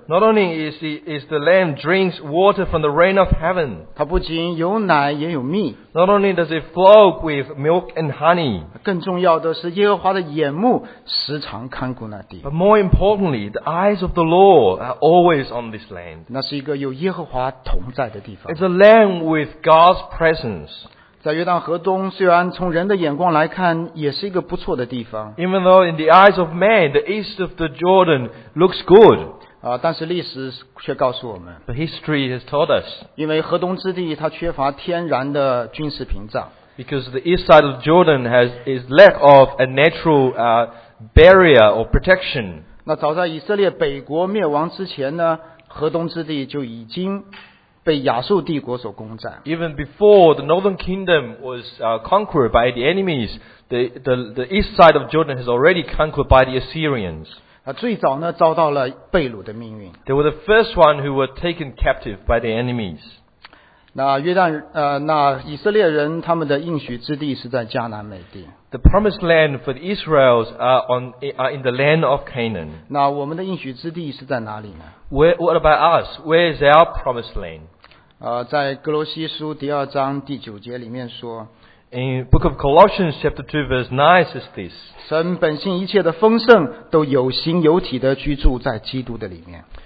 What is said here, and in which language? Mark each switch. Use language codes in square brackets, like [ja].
[en] is the land drinks water from the rain of heaven. Not only does it flow with milk and honey. But more importantly, the eyes of the Lord are always on this land. It's a land with God's presence. [zh] 在约旦河东，虽然从人的眼光来看，也是一个不错的地方。 [en] Even though in the eyes of man, the east of the Jordan looks good. [zh] 但是历史却告诉我们。 [en] But history has told us. [zh] 因为河东之地它缺乏天然的军事屏障。 [en] Because the east side of Jordan is lack of a natural barrier or protection. [zh] 那早在以色列北国灭亡之前呢，河东之地就已经。被亚述帝国所攻占。 [en] Even before the northern kingdom was conquered by the enemies, the east side of Jordan has already conquered by the Assyrians. [zh] 最早呢遭到了被掳的命运。 [en] They were the first one who were taken captive by the enemies. [zh] 那以色列人他们的应许之地是在迦南美地。 [en] The promised land for the Israelites are in the land of Canaan. [zh] 那我们的应许之地是在哪里呢？ [en] What about us? Where is our promised land? [zh] 在哥罗西书第二章第九节里面说。 [en] In Book of Colossians chapter 2 verse 9 says this. [zh] 神本性一切的丰盛都有形有体的居住在基督的里面。